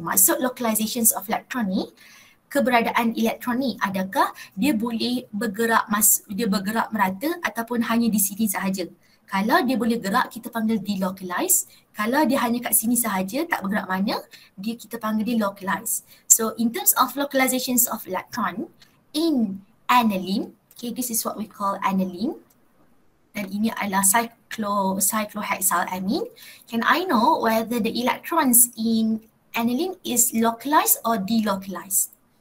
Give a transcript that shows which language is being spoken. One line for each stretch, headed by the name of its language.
Malay: Maksud
English: localizations of electron
Malay: ni, keberadaan elektron ni, adakah dia boleh bergerak dia bergerak merata ataupun hanya di sini sahaja? Kalau dia boleh gerak, kita panggil delocalized. Kalau dia hanya kat sini sahaja, tak bergerak mana, dia kita panggil delocalized.
English: So, in terms of localizations of electron, in aniline, okay, this is what we call aniline.
Malay: Dan ini adalah cyclohexyl amine.
English: Can I know whether the electrons in aniline is localized or delocalized?